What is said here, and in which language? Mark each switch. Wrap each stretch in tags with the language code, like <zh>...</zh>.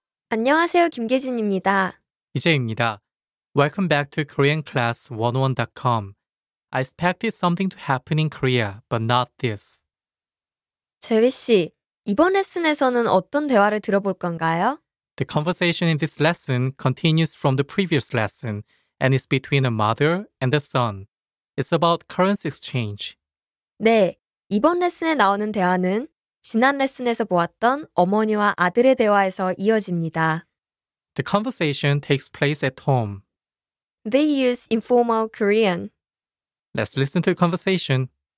<ko>안녕하세요, 김계진입니다. 이재입니다.</ko> <en>Welcome back to KoreanClass101.com. I expected something to happen in Korea, but not this.</en> <ko>재휘 씨, 이번 레슨에서는 어떤 대화를 들어볼 건가요?</ko> <en>The conversation in this lesson continues from the previous lesson, and is between a mother and a son. It's about currency exchange.</en> <ko>네, 이번 레슨에 나오는 대화는 지난 레슨에서 보았던 어머니와 아들의 대화에서 이어집니다.</ko> <en>The conversation takes place at home. They use informal Korean. Let's listen to the conversation.</en>